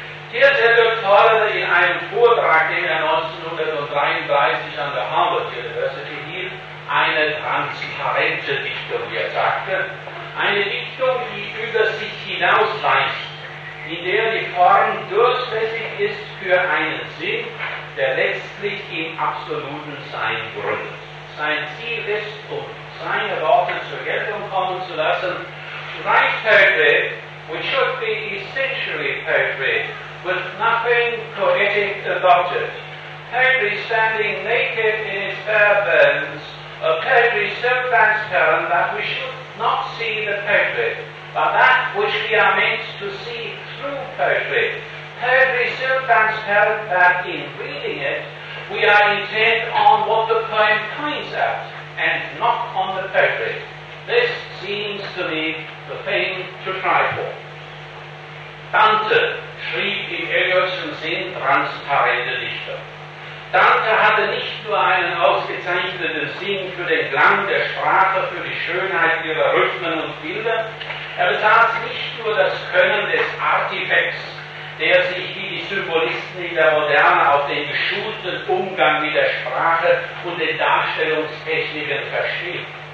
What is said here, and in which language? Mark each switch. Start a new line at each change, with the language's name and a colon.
German: Thiersell forderte in einem Vortrag, den er 1933 an der Harvard University hielt, eine transparente Dichtung, wie er sagte, eine Dichtung, die über sich hinausweist, in der die Form durchlässig ist für einen Sinn, der letztlich im absoluten Sein gründet. Sein Ziel ist, um seine Worte zur Geltung kommen zu lassen,
English: write poetry, which should be essentially poetry, with nothing poetic about it. Poetry standing naked in its bare bones, a poetry so transparent that we should not see the poetry, but that which we are meant to see through poetry. Poetry so transparent that in reading it, we are intent on what the poem points at, and not on the poetry. This seems to me the thing to try for.
German: Dante schrieb im Eliotischen Sinn transparente Dichter. Dante hatte nicht nur einen ausgezeichneten Sinn für den Klang der Sprache, für die Schönheit ihrer Rhythmen und Bilder, er besaß nicht nur das Können des Artifacts, der sich wie die Symbolisten in der Moderne auf den geschulten Umgang mit der Sprache und den Darstellungstechniken versteht.